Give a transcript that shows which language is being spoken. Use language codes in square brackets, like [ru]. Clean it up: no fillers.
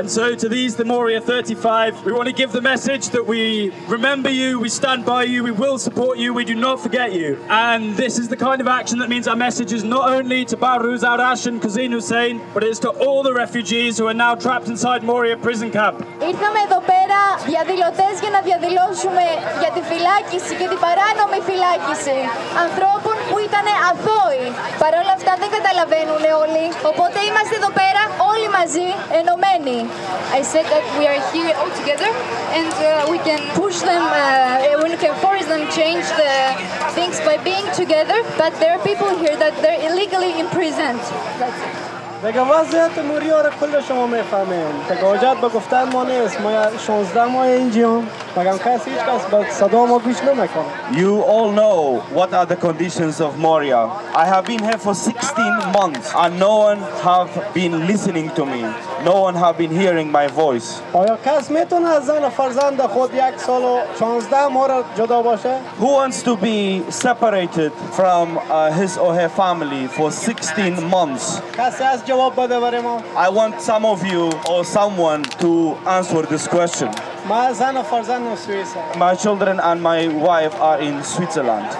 [en] And so to these, the Moria 35, we want to give the message that we remember you, we stand by you, we will support you, we do not forget you. And this is the kind of action that means our message is not only to Baruz Arash and Kazin Hussein, but it is to all the refugees who are now trapped inside Moria prison camp. [el] Ήρθαμε εδώ πέρα διαδηλωτές για να διαδηλώσουμε για τη φυλάκιση και την παράνομη φυλάκιση ανθρώπων που ήταν αθώοι. Παρ' όλα αυτά δεν καταλαβαίνουν όλοι. Οπότε είμαστε εδώ πέρα όλοι μαζί ενωμένοι. [en] I said that we are here all together and we can push them, we can force them change the things by being together. But there are people here that they're illegally imprisoned. [fa] بگم وضعیت موریا را کل شما میفهمین تقاجت با گفتن ما نیست ما 16 ماه اینجیم بگم کسی هیچ کس با صدا ما گوش نمیکنه [en] You all know what are the conditions of Moria I have been here for 16 months and no one have been listening to me No one have been hearing my voice [fa] آیا کس میتونه از زن فرزند خود یک سال و 16 ماه را جدا باشه [en] Who wants to be separated from his or her family for 16 months I want some of you or someone to answer this question. My children and my wife are in Switzerland.